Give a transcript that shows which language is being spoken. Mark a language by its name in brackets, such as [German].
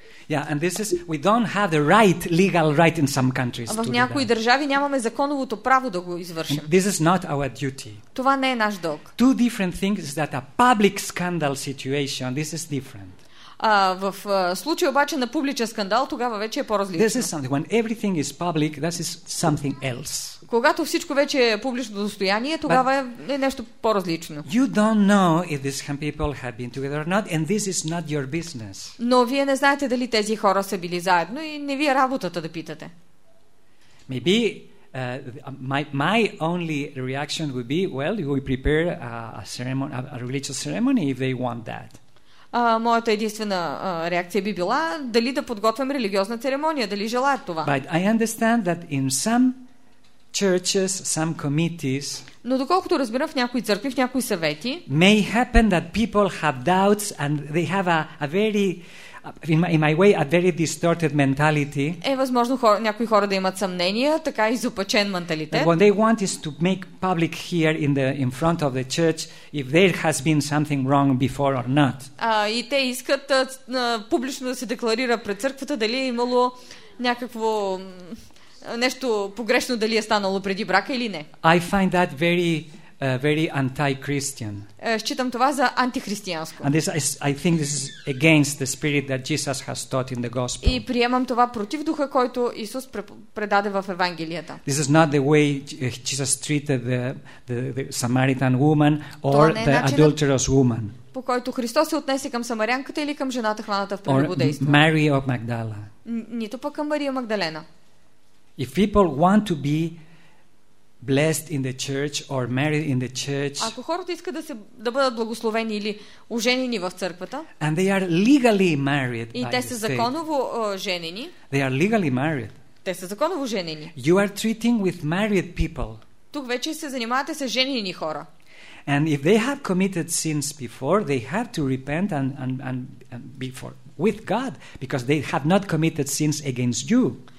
[English] Yeah, and this is we don't have the right legal right in some countries. [Bulgarian] В някои държави нямаме законовото право да го извършим. [English] And this is not our duty. [Bulgarian] Това не е наш дълг. [English] Two different things is that a public scandal situation, this is different. [Bulgarian] В случай обаче на публичен скандал, тогава вече е по-различно. [English] This is something when everything is public, that is something else. [Bulgarian] Когато всичко вече е публично достояние, тогава е нещо по-различно. [English] You don't know if these young people have been together or not, and this is not your business. [Bulgarian] Но вие не знаете дали тези хора са били заедно и не ви е работата да питате. [English] Maybe my only reaction would be, well, we prepare a ceremony, a religious ceremony if they want that. [Bulgarian] моята единствена реакция би била дали да подготвям религиозна церемония, дали желая това. [English] But I understand that in some churches, some committees, [Bulgarian] но доколкото разбирам, в някои църкви, в някои съвети, [English] may happen that people have doubts and they have a very in my way a very distorted mentality. [Bulgarian] Е възможно някои хора да имат съмнения, така изопачен менталитет. [English] What they want is to make public here in front of the church if there has been something wrong before or not. [Bulgarian] И те искат публично да се декларира пред църквата дали е имало някакво нещо погрешно, дали е станало преди брака или не. [English] I find that very anti-Christian. [Bulgarian] Считам това за антихристиянско. [English] And this is, I think this is against the spirit that Jesus has taught in the gospel. [Bulgarian] И приемам това против духа, който Исус предаде в Евангелията. [English] This is not the way Jesus treated the Samaritan woman or the adulterous woman. [Bulgarian] По който Христос се отнесе към самарянката или към жената, хваната в прелюбодейство. [English] Or Mary of Magdala. [Bulgarian] Нито пък към Мария Магдалена. [English] If people want to be blessed in the church or married in the church, [Bulgarian] ако хората искат да бъдат благословени или оженени в църквата, [English] and they are legally married, [Bulgarian] и те са законово женени, [English] they are legally married, [Bulgarian] те са законово женени, [English] you are treating with married people, [Bulgarian] тук вече се занимавате с женени хора, [English] and if they have committed sins before, they have to repent and before with God, because they have not committed sins against you.